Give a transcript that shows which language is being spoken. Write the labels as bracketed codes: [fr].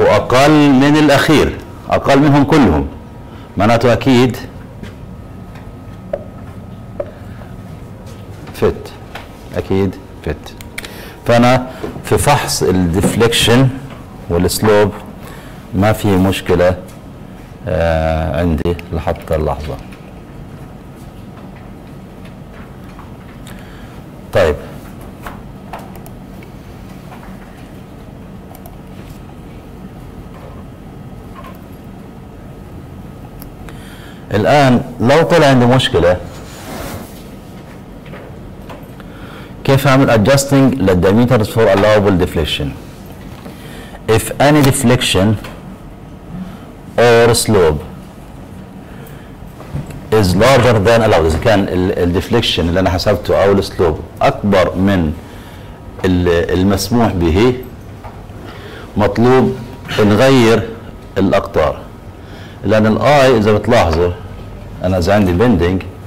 [ar] وأقل من الأخير، أقل منهم كلهم، معناته أكيد فت، أكيد فت. فأنا في فحص الديفليكشن والسلوب ما في مشكلة عندي لحتى اللحظة. طيب الآن لو طلع عندي مشكلة كيف أعمل [en] adjusting the diameters for allowable deflection if any deflection or slope is larger than allowed. [ar] إذا كان ال deflection اللي أنا حسبته أو ال slope أكبر من المسموح به مطلوب نغير الأقطار، لأن ال I إذا بتلاحظوا أنا إذا عندي bending